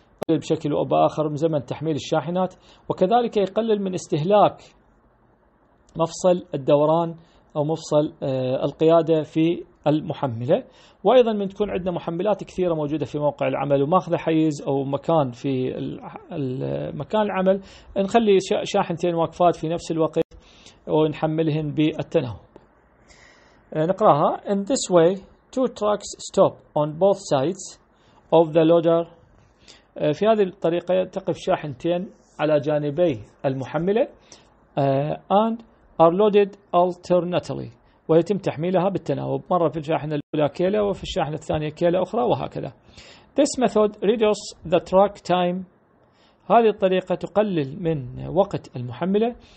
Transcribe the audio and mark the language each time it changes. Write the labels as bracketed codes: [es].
[ar] بشكل أو بآخر، من زمن تحميل الشاحنات، وكذلك يقلل من استهلاك مفصل الدوران أو مفصل القيادة في المحملة. وأيضا من تكون عندنا محملات كثيرة موجودة في موقع العمل وماخذ حيز أو مكان في مكان العمل، نخلي شاحنتين واقفات في نفس الوقت ونحملهن بالتناوب. نقرأها. [en] In this way two trucks stop on both sides of the loader. [ar] في هذه الطريقة تقف شاحنتين على جانبي المحملة. [en] And are loaded alternately، [ar] ويتم تحميلها بالتناوب، مرة في الشاحنة الأولى كيلة وفي الشاحنة الثانية كيلة أخرى وهكذا. [en] This method reduces the truck time، [ar] هذه الطريقة تقلل من وقت المحملة.